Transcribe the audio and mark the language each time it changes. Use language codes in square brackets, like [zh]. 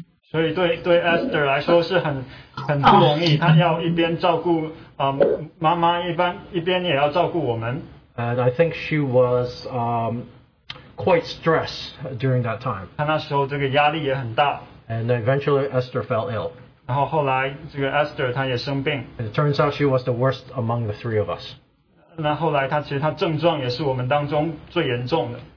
[zh] 所以对Esther来说是很不容易，她要一边照顾妈妈，一边也要照顾我们。 [en] And I think she was quite stressed during that time. [zh] 她那时候这个压力也很大。 [en] And eventually Esther fell ill. [zh] 然后后来这个Esther她也生病。 [en] It turns out she was the worst among the three of us. [zh] 那后来她其实她症状也是我们当中最严重的。